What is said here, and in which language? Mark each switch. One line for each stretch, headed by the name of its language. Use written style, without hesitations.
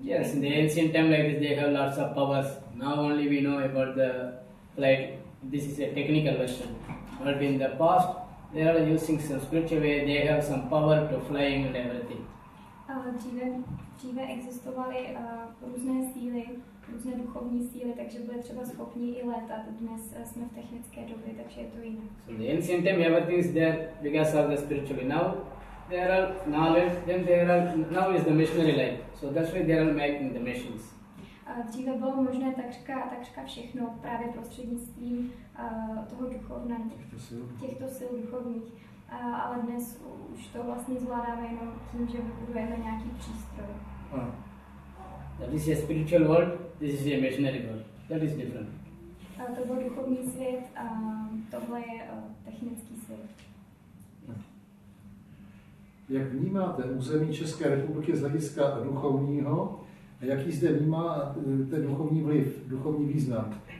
English: Yes, in the ancient time like this they have lots of powers. Now only we know about the flight. This is a technical question. But in the past they are using some spiritual way, they have some power to flying and everything.
Czech: Dříve existovaly různé síly, různé duchovní síly, takže byly třeba schopni i létat. Dnes jsme v technické době, takže je to jinak.
English: So the ancient time everything is there because of the spiritual. Now there are knowledge, then there are, now is the missionary life. So that's why they are making the missions.
Czech: Dříve bylo možné takřka všechno právě prostřednictvím toho duchovna, těchto sil duchovních. Ale dnes už to vlastně zvládáme jenom tím, že vybudujeme nějaký přístroj.
English: That is a spiritual world, this is a missionary world. That is different.
Czech: To byl duchovní svět a tohle je technický svět. Jak vnímáte území České republiky z hlediska duchovního? A jaký zde vnímá ten duchovní vliv, duchovní význam?